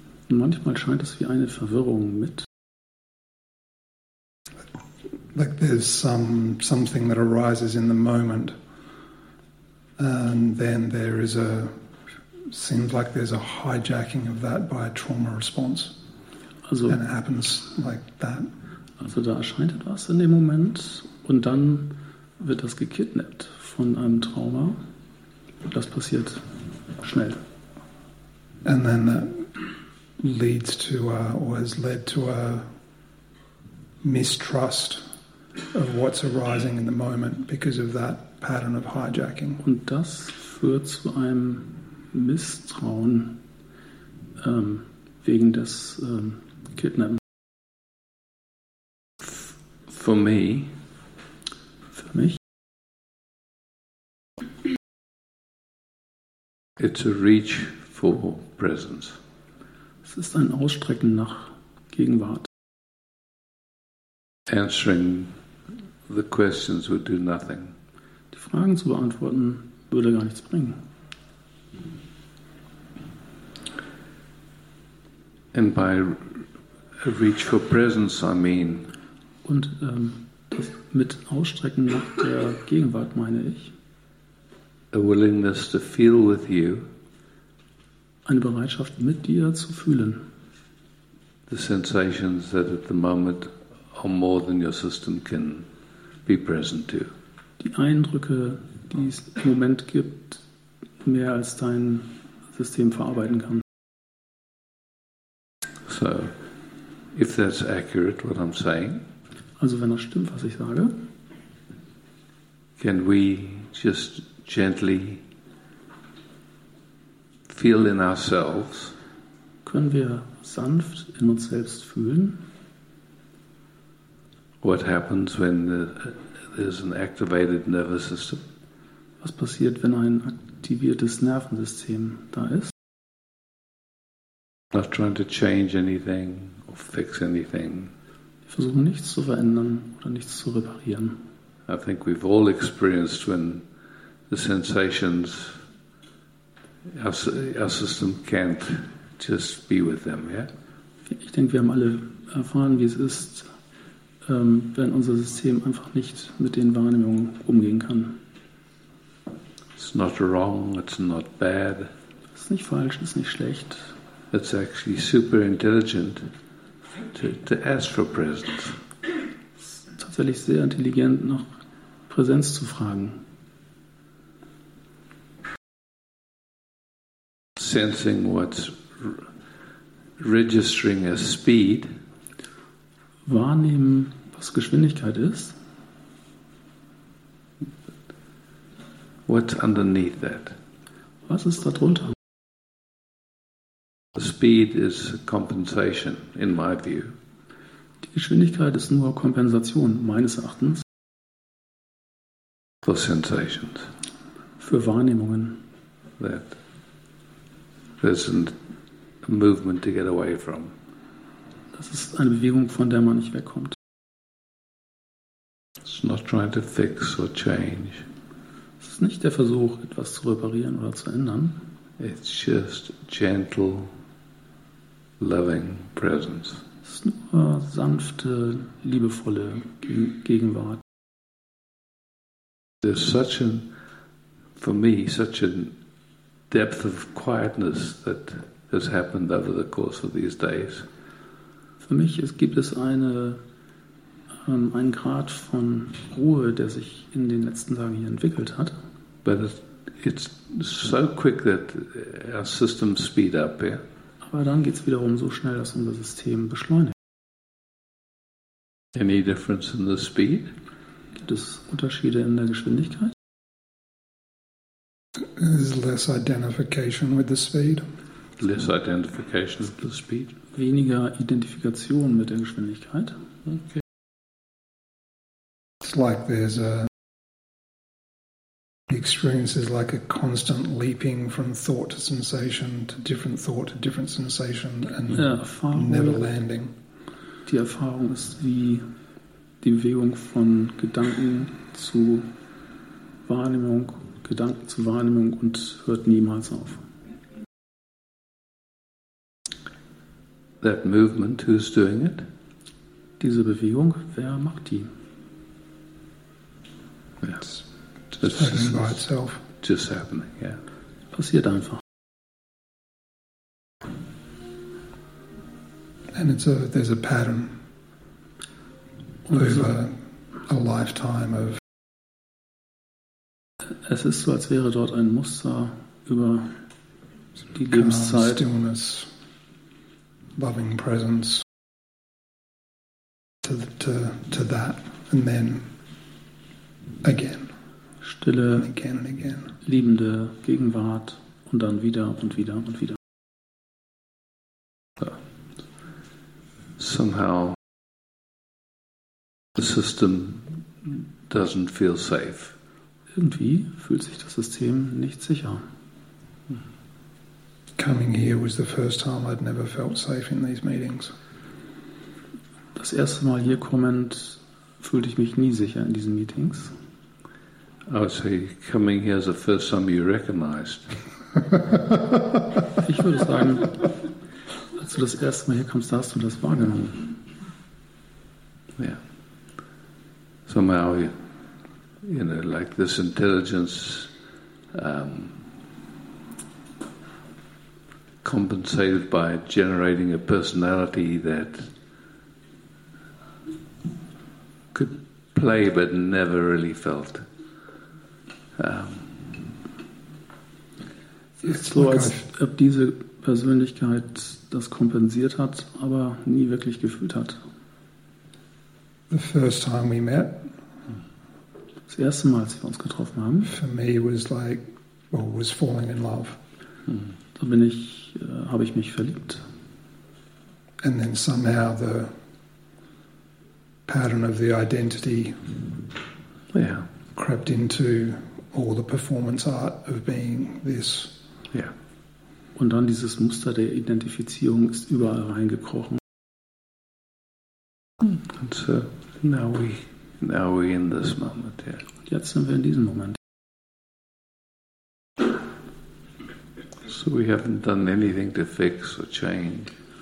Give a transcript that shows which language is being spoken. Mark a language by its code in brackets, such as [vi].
[de] Und manchmal scheint es wie eine Verwirrung mit. [en] Like there's something that arises in the moment, and then there is a seems like there's a hijacking of that by a trauma response. Also, and it happens like that. [de] Also da erscheint etwas in dem Moment und dann wird das gekidnappt von einem Trauma. Das passiert schnell. [en] And then that leads to or has led to a mistrust of what's arising in the moment because of that pattern of hijacking. [de] Und das führt zu einem Misstrauen wegen des Kidnappen. [en] For me. [de] Für mich. [en] It's a reach for presence. [de] Es ist ein Ausstrecken nach Gegenwart. [en] Answering the questions would do nothing. [de] Die Fragen zu beantworten würde gar nichts bringen. [en] And by a reach for presence, I mean. [de] Und das mit Ausstrecken nach der Gegenwart meine ich. [en] A willingness to feel with you. [de] Eine Bereitschaft, mit dir zu fühlen. [en] The sensations that at the moment are more than your system can be present to. [de] Die Eindrücke, die es im Moment gibt, mehr als dein System verarbeiten kann. [en] So, if that's accurate, what I'm saying. [de] Also wenn das stimmt, was ich sage. [en] Can we just gently feel in ourselves. [de] Können wir sanft in uns selbst fühlen? [en] What happens when there's an activated nervous system? [de] Was passiert, wenn ein aktiviertes Nervensystem da ist? [en] Not trying to change anything or fix anything. [de] Wir versuchen nichts zu verändern oder nichts zu reparieren. [en] I think we've all experienced when the sensations. Our system can't just be with them, yeah? [de] Ich denke, wir haben alle erfahren, wie es ist, wenn unser System einfach nicht mit den Wahrnehmungen umgehen kann. [en] It's not wrong, it's not bad. [de] Es ist nicht falsch, es ist nicht schlecht. [en] it's actually super intelligent to ask for presence. [de] Tatsächlich sehr intelligent, nach Präsenz zu fragen. [en] Sensing what's registering as speed. [de] Wahrnehmen, was Geschwindigkeit ist. [en] What's underneath that? [de] Was ist darunter? [en] Speed is compensation, in my view. [de] Die Geschwindigkeit ist nur Kompensation, meines Erachtens. [en] For sensations. [de] Für Wahrnehmungen. [en] That there's a movement to get away from. [de] Das ist eine Bewegung, von der man nicht wegkommt. [en] It's not trying to fix or change. [de] Es ist nicht der Versuch, etwas zu reparieren oder zu ändern. [en] It's just gentle, loving presence. [de] Es ist nur sanfte, liebevolle Gegenwart. [en] There's such an, for me, such a depth of quietness that has happened over the course of these days. [de] Für mich gibt es einen Grad von Ruhe, der sich in den letzten Tagen hier entwickelt hat. [en] But it's so quick that our systems speed up, yeah? [de] Aber dann geht es wiederum so schnell, dass unser System beschleunigt. [en] Any difference in the speed? [de] Gibt es Unterschiede in der Geschwindigkeit? [en] There's less identification with the speed. Less identification with the speed. [de] Weniger Identifikation mit der Geschwindigkeit. [en] Okay. It's like there's a the experience is like a constant leaping from thought to sensation to different thought to different sensation and never landing. [de] Die Erfahrung ist wie die Bewegung von Gedanken zu Wahrnehmung und hört niemals auf. [en] That movement, who's doing it? [de] Diese Bewegung, wer macht die? [en] It's by itself. Just happening, yeah. [de] Passiert einfach. [en] And there's a pattern over a lifetime of. [de] Es ist so, als wäre dort ein Muster über die Lebenszeit. [en] Stillness. Loving presence to that, and then again, [de] stille, [en] and again and again, [de] liebende Gegenwart, und dann wieder und wieder und wieder. [en] So. Somehow the system doesn't feel safe. [de] Irgendwie fühlt sich das System nicht sicher. [en] Coming here was the first time I'd never felt safe in these meetings. [de] Das erste Mal hier kommen, fühlte ich mich nie sicher in diesen Meetings. [en] I would say coming here is the first time you recognized. [de] Ich würde sagen, als du das erste Mal hier kommst, hast du das wahrgenommen. [en] Yeah. Somehow, you know, like this intelligence. Compensated by generating a personality that could play but never really felt. [de] Ist so, als ob diese Persönlichkeit das kompensiert hat, aber nie wirklich gefühlt hat. [en] The first time we met. [de] Das erste Mal, als wir uns getroffen haben. [en] For me it was like, well, was falling in love. [de] Da bin ich, habe ich mich verliebt. [en] And then somehow the pattern of the identity crept into all the performance art of being this. Yeah. [de] Und dann dieses Muster der Identifizierung ist überall reingekrochen. [en] And so now we in this moment. Yeah. [de] Und jetzt sind wir in diesem Moment. [en] So we haven't done anything to fix or change.